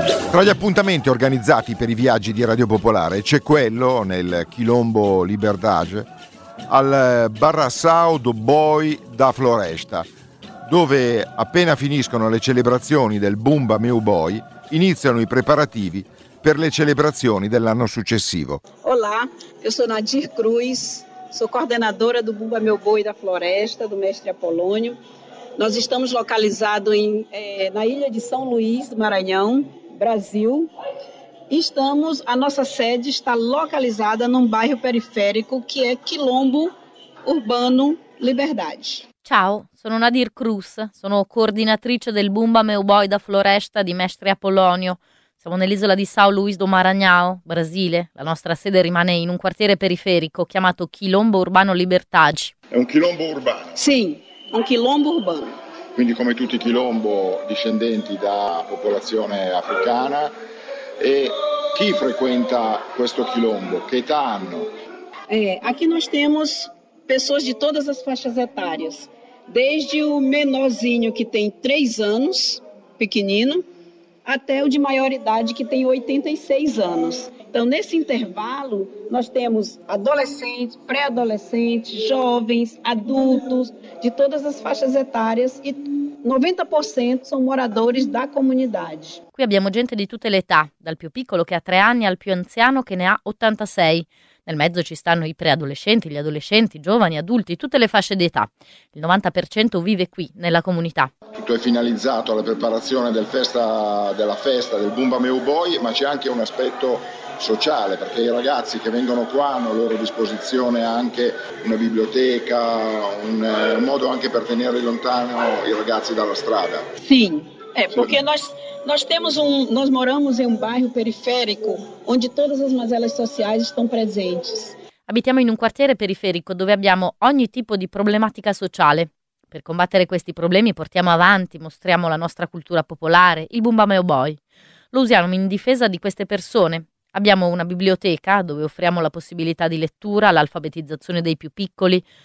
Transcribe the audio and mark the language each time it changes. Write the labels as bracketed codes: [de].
[it] Tra gli appuntamenti organizzati per i viaggi di Radio Popolare c'è quello nel Quilombo Liberdade al Barração do Boi da Floresta, dove appena finiscono le celebrazioni del Bumba Meu Boi iniziano i preparativi per le celebrazioni dell'anno successivo. [pt] Olá, eu sou Nadir Cruz, sou coordenadora do Bumba Meu Boi da Floresta, do Mestre Apolônio. Nós estamos localizados na ilha de São Luís do Maranhão, Brasil. Estamos, a nossa sede está localizada num bairro periférico que é Quilombo Urbano Liberdade. [it] Ciao, sono Nadir Cruz, sono coordinatrice del Bumba Meu Boi da Floresta di Mestre Apolônio. Siamo nell'isola di São Luís do Maranhão, Brasile. La nostra sede rimane in un quartiere periferico chiamato Quilombo Urbano Libertade. È un quilombo urbano? Sì, un quilombo urbano. Quindi come tutti i quilombo discendenti da popolazione africana. E chi frequenta questo quilombo? Che età hanno? [pt] Aqui nós temos pessoas de todas as faixas etárias. Desde o menorzinho que tem 3 anos, pequenino, até o de maior idade, que tem 86 anos. Então, nesse intervalo, nós temos adolescentes, pré-adolescentes, jovens, adultos, de todas as faixas etárias, e 90% são moradores da comunidade. [it] Qui abbiamo gente di tutte le età, dal più piccolo che ha 3 anni al più anziano che ne ha 86. Nel mezzo ci stanno i preadolescenti, gli adolescenti, giovani, adulti, tutte le fasce d'età. Il 90% vive qui, nella comunità. Tutto è finalizzato alla preparazione della festa del Bumba Meu Boi, ma c'è anche un aspetto sociale, perché i ragazzi che vengono qua hanno a loro disposizione anche una biblioteca, un modo anche per tenere lontano i ragazzi dalla strada. Sì. [pt] Porque nós moramos em um bairro periférico onde todas as mazelas sociais estão presentes. [it] Abitiamo in un quartiere periferico dove abbiamo ogni tipo di problematica sociale. Per combattere questi problemi portiamo avanti, mostriamo la nostra cultura popolare, il Bumba Meu Boi. Lo usiamo in difesa di queste persone. Abbiamo una biblioteca dove offriamo la possibilità di lettura, l'alfabetizzazione dei più piccoli.